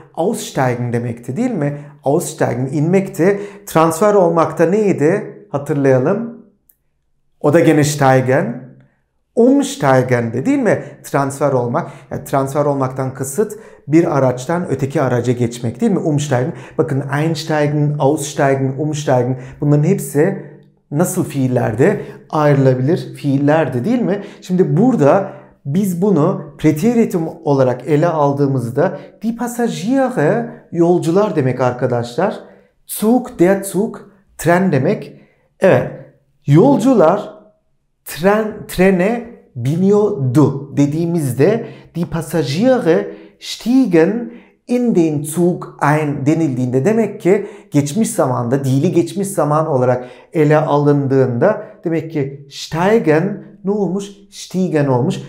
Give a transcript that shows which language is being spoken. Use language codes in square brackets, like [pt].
[tr] Aussteigen demekti değil mi? Aussteigen inmekti. Transfer olmakta neydi? Hatırlayalım. O da gene steigen. Umsteigen'di değil mi? Transfer olmak. Yani transfer olmaktan kısıt bir araçtan öteki araca geçmek değil mi? Umsteigen. Bakın [de] einsteigen, aussteigen, umsteigen. [tr] Bunların hepsi nasıl fiillerde? Ayrılabilir fiillerde değil mi? Şimdi burada biz bunu preteritum olarak ele aldığımızda [de] die Passagiere, [tr] yolcular demek arkadaşlar. Zug, [de] der Zug, [tr] tren demek. Evet, yolcular trene biniyordu dediğimizde [de] die Passagiere stiegen in den Zug ein [tr] denildiğinde, demek ki geçmiş zamanda, dili geçmiş zaman olarak ele alındığında demek ki steigen ne olmuş? Stiegen olmuş.